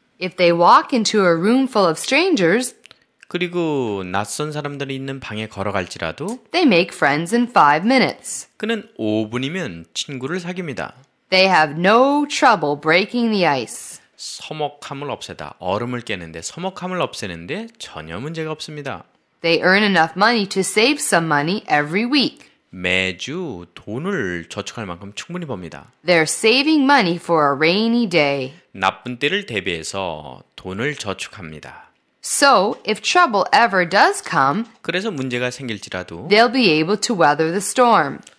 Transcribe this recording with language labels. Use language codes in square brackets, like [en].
[en] If they walk into a room full of strangers, [ko] 그리고 낯선 사람들이 있는 방에 걸어갈지라도, [en] they make friends in 5 minutes. [ko] 그는 5분이면 친구를 사귑니다. [en] They have no trouble breaking the ice. [ko] 서먹함을 없애다, 얼음을 깨는데 서먹함을 없애는데 전혀 문제가 없습니다. [en] They earn enough money to save some money every week. [ko] 매주 돈을 저축할 만큼 충분히 법니다. [en] They're saving money for a rainy day. [ko] 나쁜 때를 대비해서 돈을 저축합니다. [en] So, if trouble ever does come, [ko] 그래서 문제가 생길지라도 [en] they'll be able to weather the storm.